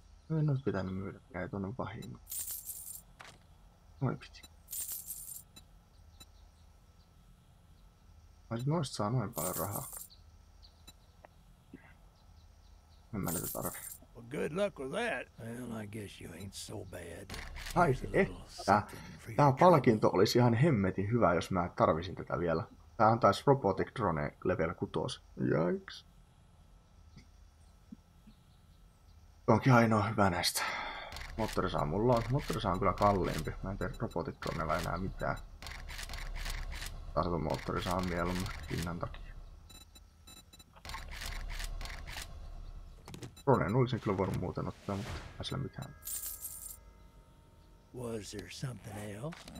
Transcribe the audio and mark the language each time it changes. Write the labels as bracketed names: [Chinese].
[Finnish] En olisi pitänyt myydä, jäi tuonne vahingon. Noin piti. Mä olisin noista saa noin paljon rahaa. En mä niitä tarvitse. [English] Well, good luck with that. Well, I guess you ain't so bad. [Finnish] Ai että. Tää palkinto olisi ihan hemmetin hyvä, jos mä tarvisin tätä vielä. Tää antais Robotic Drone level 6. Jaiks. Onkin ainoa hyvä näistä. Moottorisaa mulla on. Moottorisaa on kyllä kalliimpi. Mä en tee robotitronella enää mitään. Tarkoitan moottorisaa mieluummin hinnan takia. Droneen olisin kyllä voinut muuten ottaa, mutta ei sillä mitään. [English] Was there something else?